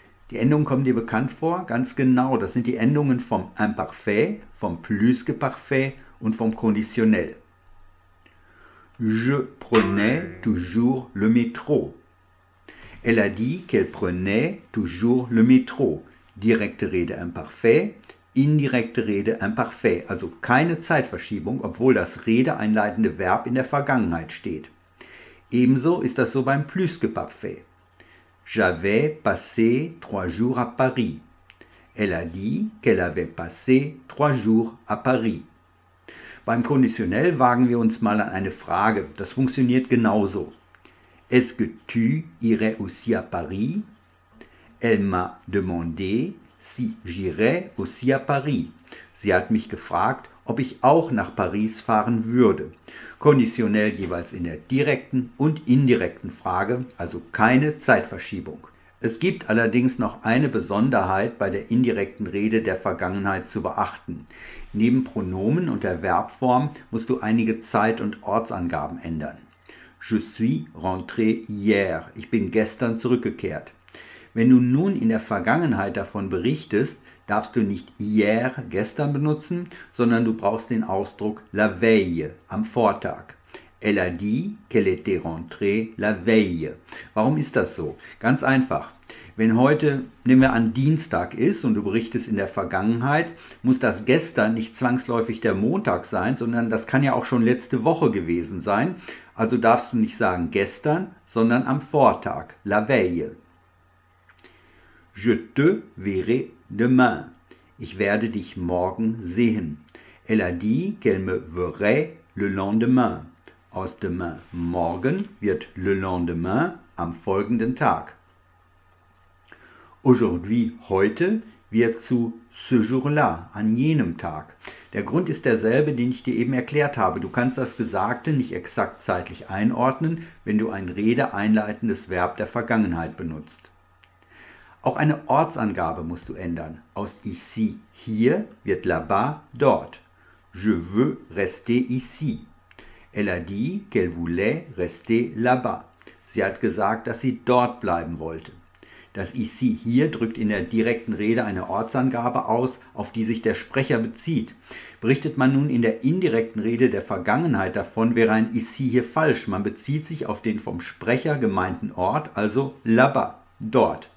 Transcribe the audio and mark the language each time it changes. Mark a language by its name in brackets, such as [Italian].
[German] Die Endungen kommen dir bekannt vor? Ganz genau, das sind die Endungen vom Imparfait, vom Plusqueparfait und vom Konditionell. [French] Je prenais toujours le métro. Elle a dit qu'elle prenait toujours le métro. [German] Direkte Rede imparfait, indirekte Rede imparfait. Also keine Zeitverschiebung, obwohl das redeeinleitende Verb in der Vergangenheit steht. Ebenso ist das so beim Plusqueparfait. [French] J'avais passé trois jours à Paris. Elle a dit qu'elle avait passé trois jours à Paris. [German] Beim Konditionell wagen wir uns mal an eine Frage. Das funktioniert genauso. [French] Est-ce que tu irais aussi à Paris? Elle m'a demandé si j'irais aussi à Paris. [German] Sie hat mich gefragt, ob ich auch nach Paris fahren würde. Konditionell jeweils in der direkten und indirekten Frage, also keine Zeitverschiebung. Es gibt allerdings noch eine Besonderheit bei der indirekten Rede der Vergangenheit zu beachten. Neben Pronomen und der Verbform musst du einige Zeit- und Ortsangaben ändern. [French] Je suis rentré hier. [German] Ich bin gestern zurückgekehrt. Wenn du nun in der Vergangenheit davon berichtest, darfst du nicht hier gestern benutzen, sondern du brauchst den Ausdruck la veille, am Vortag. [French] Elle a dit qu'elle était rentrée la veille. [German] Warum ist das so? Ganz einfach. Wenn heute, nehmen wir an, Dienstag ist und du berichtest in der Vergangenheit, muss das gestern nicht zwangsläufig der Montag sein, sondern das kann ja auch schon letzte Woche gewesen sein. Also darfst du nicht sagen gestern, sondern am Vortag, la veille. [French] Je te verrai demain. [German] Ich werde dich morgen sehen. [French] Elle a dit qu'elle me verrait le lendemain. [German] Aus demain morgen wird le lendemain am folgenden Tag. Aujourd'hui, heute, wird zu ce jour-là, an jenem Tag. Der Grund ist derselbe, den ich dir eben erklärt habe. Du kannst das Gesagte nicht exakt zeitlich einordnen, wenn du ein redeeinleitendes Verb der Vergangenheit benutzt. Auch eine Ortsangabe musst du ändern. Aus ici, hier, wird là-bas, dort. [French] Je veux rester ici. Elle a dit qu'elle voulait rester là-bas. [German] Sie hat gesagt, dass sie dort bleiben wollte. Das ici, hier, drückt in der direkten Rede eine Ortsangabe aus, auf die sich der Sprecher bezieht. Berichtet man nun in der indirekten Rede der Vergangenheit davon, wäre ein ici hier falsch. Man bezieht sich auf den vom Sprecher gemeinten Ort, also là-bas. Dort.